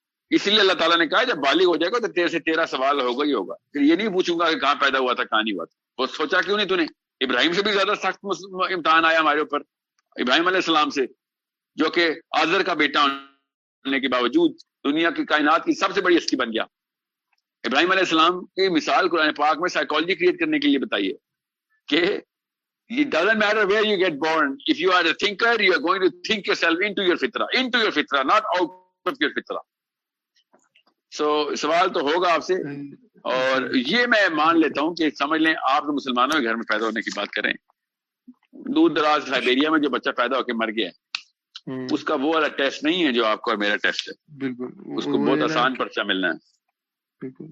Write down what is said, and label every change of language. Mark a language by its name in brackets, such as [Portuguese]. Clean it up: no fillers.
[Urdu] اس لیے اللہ تعالیٰ نے کہا جب بالغ ہو جائے گا تو تیرے سے تیرا سوال ہوگا ہی ہوگا, پھر یہ نہیں پوچھوں گا کہ کہاں پیدا ہوا تھا کہاں نہیں ہوا تھا. وہ سوچا کیوں نہیں تو نے, ابراہیم سے بھی زیادہ سخت امتحان آیا ہمارے اوپر, ابراہیم علیہ السلام سے جو کہ آزر کا بیٹا ہونے کے باوجود دنیا کی کائنات کی سب سے بڑی ہستی بن گیا. ابراہیم علیہ السلام کی مثال قرآن پاک میں سائیکالوجی کریٹ کرنے کے لیے بتائی ہے کہ [English] it doesn't matter where you get born, if you are a thinker you are going to think yourself into your fitra not out of your fitra. [Urdu] So سوال تو ہوگا آپ سے, اور یہ میں مان لیتا ہوں کہ سمجھ لیں آپ تو مسلمانوں کے گھر میں پیدا ہونے کی بات کریں, دور دراز لائبریریا میں جو بچہ پیدا ہو کے مر گیا اس کا وہ والا ٹیسٹ نہیں ہے جو آپ کا اور میرا ٹیسٹ ہے. بالکل اس کو بہت آسان پرچہ ملنا ہے.